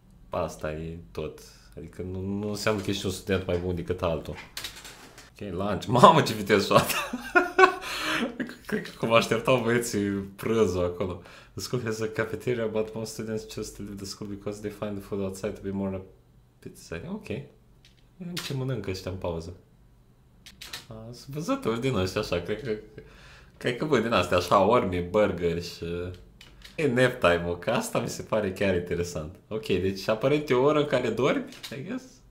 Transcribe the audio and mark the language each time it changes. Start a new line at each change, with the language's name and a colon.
Romanian: Asta e tot. Adică nu înseamnă că ești un student mai bun decât altul. Ok, lunch. Mamă, ce viteză toată! Cred că cum așteptau băieții prânzul acolo.
English: The school has a cafeteria, but most students choose to leave the school because they find the food outside to be more appetizing. Ok.
Romanian: Ce mănâncă ăștia în pauză? Sunt văzători din ăștia așa, cred că bă, din astea așa, ormi, burgeri și... E nap time-ul, că asta mi se pare chiar interesant. Ok, deci aparent e o oră în care dormi,
English: I guess?